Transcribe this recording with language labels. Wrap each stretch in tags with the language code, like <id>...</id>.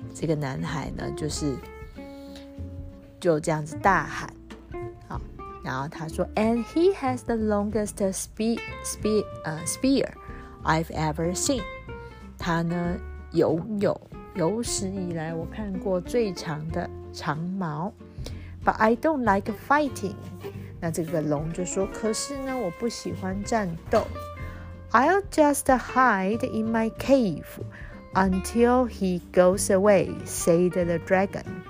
<zh>这个男孩呢就这样子大喊。好，然后他说</zh> <en>And he has the longest spear I've ever seen。</en> <zh>他呢有史以来我看过最长的长矛。</zh> <en>But I don't like fighting。</en> <zh>那这个龙就说，可是呢我不喜欢战斗。</zh> <en>I'll just hide in my cave until he goes away, said the dragon。</en>